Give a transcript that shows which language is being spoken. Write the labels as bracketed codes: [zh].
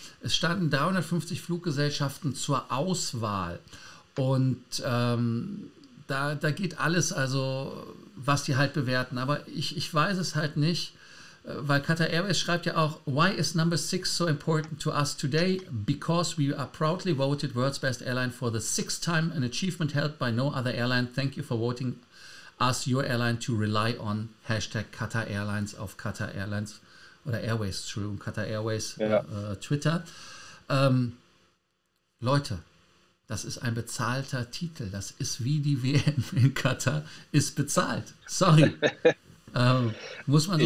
[de] Es standen 350 Fluggesellschaften zur Auswahl. Und da geht alles, also was die halt bewerten. Aber ich weiß es halt nicht, weil Qatar Airways schreibt ja auch: [en] Why is number six so important to us today? Because we are proudly voted world's best airline for the sixth time, an achievement held by no other airline. Thank you for voting us your airline to rely on. [de] Hashtag Qatar Airlines auf Qatar Airlines oder Airways, Entschuldigung, Qatar Airways Ja. Twitter. Leute, das ist ein bezahlter Titel. Das ist wie die WM in Katar, ist bezahlt. Sorry. Muss man so